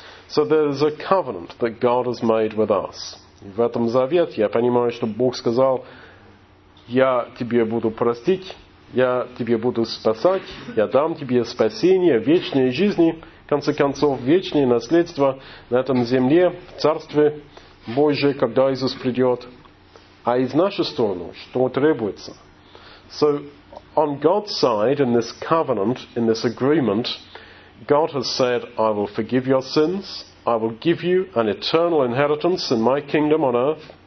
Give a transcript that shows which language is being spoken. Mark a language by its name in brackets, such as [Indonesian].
[English] So there is a covenant that God has made with us. [Russian] И в этом завете я понимаю, что Бог сказал, я тебе буду простить, я тебе буду спасать, я дам тебе спасение, вечные жизни, в конце концов, вечное наследство на этом земле, в Царстве Божьем, когда Иисус придет. А из нашей стороны, что требуется? [English] So, on God's side, in this covenant, in this agreement, God has said, I will forgive your sins, I will give you an eternal inheritance in my kingdom on earth.